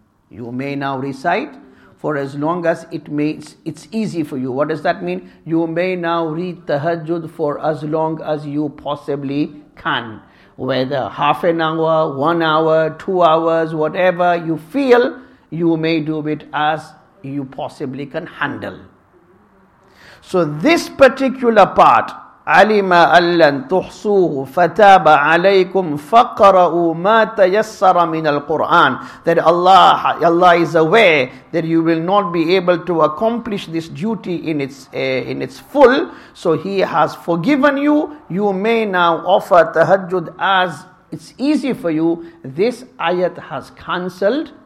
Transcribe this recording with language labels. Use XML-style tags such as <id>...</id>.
<en>You may now recite for as long as it's easy for you. What does that mean? You may now read tahajjud for as long as you possibly can. Whether half an hour, 1 hour, 2 hours, whatever you feel, you may do it as you possibly can handle. So this particular part,</en> <ar>عَلِمَ أَلَّنْ تُحْصُوهُ فَتَابَ عَلَيْكُمْ فَقَرَأُوا مَا تَيَسَّرَ مِنَ الْقُرْآنِ.</ar> <en>That Allah is aware that you will not be able to accomplish this duty in its full. So He has forgiven you. You may now offer tahajjud as it's easy for you. This ayat has cancelled.</en>